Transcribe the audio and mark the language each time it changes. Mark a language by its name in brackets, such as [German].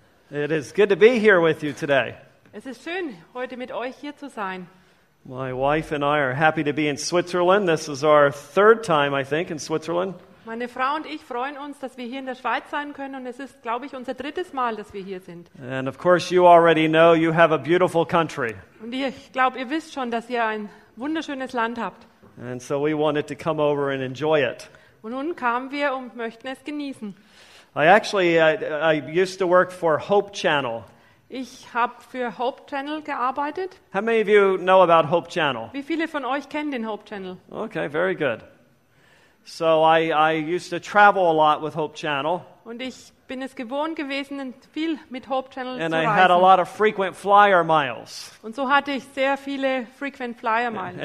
[English] It is good to be here with you today. [German] Es ist schön, heute mit euch hier zu sein. [English] My wife and I are happy to be in Switzerland. This is our third time, I think, in Switzerland. [German] Meine Frau und ich freuen uns, dass wir hier in der Schweiz sein können und es ist, glaube ich, unser drittes Mal, dass wir hier sind. [English] And of course you already know you have a beautiful country. [German] Und ich glaube, ihr wisst schon, dass ihr ein wunderschönes Land habt. [English] And so we wanted to come over and enjoy it. [German] Und nun kamen wir und möchten es genießen. [English] I used to work for Hope Channel. [German] Ich habe für Hope Channel gearbeitet. [English] How many of you know about Hope Channel? [German] Wie viele von euch kennen den Hope Channel? [English] Okay, very good. So I used to travel a lot with Hope Channel. [German] Und ich bin es gewohnt gewesen, viel mit Hope Channel [English] and [German] zu reisen. [English] And I had a lot of frequent flyer miles. [German] Und so hatte ich sehr viele [English] frequent flyer miles.